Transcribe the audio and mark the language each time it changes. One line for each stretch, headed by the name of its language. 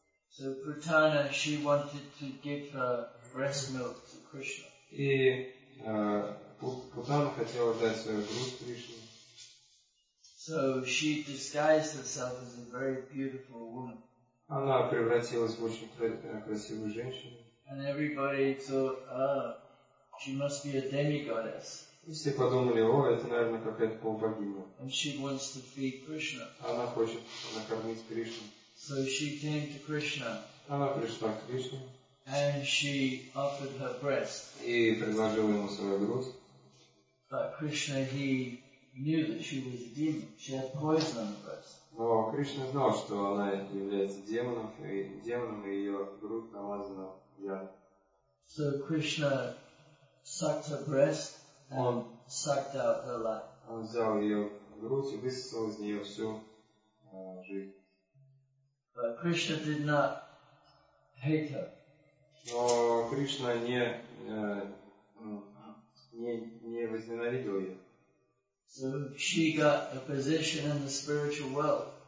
English: So Putana, she wanted to give her breast milk to Krishna.
Russian: И Путана хотела дать свою грудь Кришне.
English: So she disguised herself as a very beautiful woman.
Russian: Она превратилась в очень красивую женщину.
English: And everybody thought, oh, she must be a demigoddess.
Russian: И все подумали, о, это, наверное, какая-то полубогиня.
English: And she wants to feed Krishna.
Russian: Она хочет накормить Кришну.
English: So she came to Krishna.
Russian: Она пришла к Кришне.
English: And she offered her breast.
Russian: И предложила ему свою грудь.
English: But Krishna, he knew that she was a demon. She had poison on her breast.
Russian: Но Кришна знал, что она является демоном, и ее грудь намазана ядом.
English: So Krishna sucked her breast and sucked out her life.
Russian: Он взял ее грудь и высосал из нее всю жизнь.
English: But Krishna did not hate her.
Russian: Но Кришна не возненавидел ее.
English: So she got a position in the spiritual world.